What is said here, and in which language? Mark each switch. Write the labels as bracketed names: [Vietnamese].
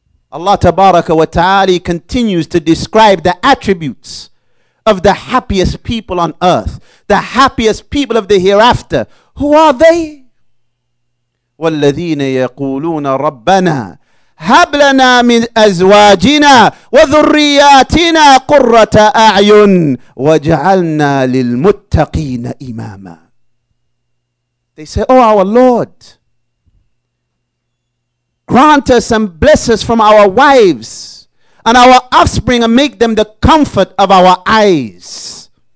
[English] Allah tabaraka wa ta'ala continues to describe the attributes of the happiest people on earth, the happiest people of the hereafter. Who are they? [Arabic] وَالَّذِينَ يَقُولُونَ رَبَّنَا هب لنا من أزواجنا وذرياتنا قرة أعين واجعلنا للمتقين إماما. [English] They say, oh our Lord, grant us and bless us from our wives and our offspring and make them the comfort of our eyes.